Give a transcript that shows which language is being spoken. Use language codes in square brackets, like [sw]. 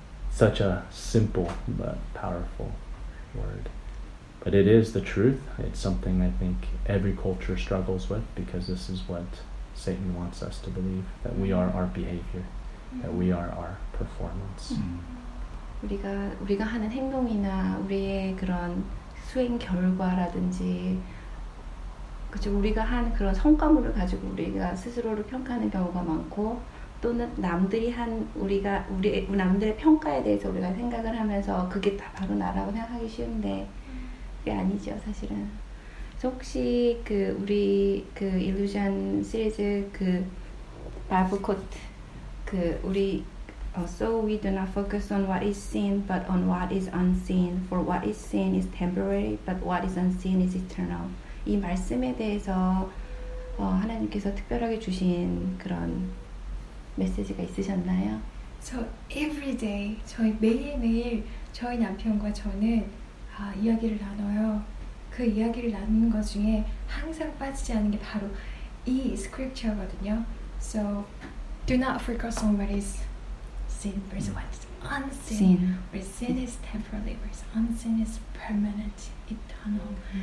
[en] Such a simple but powerful word. But it is the truth. It's something I think every culture struggles with, because this is what Satan wants us to believe, that we are our behavior, that we are our performance. [ko] 우리가 하는 행동이나 우리의 그런 수행 결과라든지, 그죠, 우리가 한 그런 성과물을 가지고 우리가 스스로를 평가하는 경우가 많고, 또는 남들이 한 우리 남들의 평가에 대해서 우리가 생각을 하면서 그게 다 바로 나라고 생각하기 쉬운데 그게 아니죠, 사실은. 그래서 혹시 그 우리 [en] 그 일루전 시리즈 그 바이블 코트 그 우리 So we do not focus on what is seen, but on what is unseen. For what is seen is temporary, but what is unseen is eternal. [ko] 이 말씀에 대해서 하나님께서 특별하게 주신 그런 메시지가 있으셨나요? [en] So every day, [ko] 저희 매일매일 저희 남편과 저는 이야기를 나눠요. 그 이야기를 나누는 것 중에 항상 빠지지 않는 게 바로 이 스크립처거든요. [en] So do not focus on what is seen versus what is unseen. What is seen is temporary versus unseen is permanent, eternal.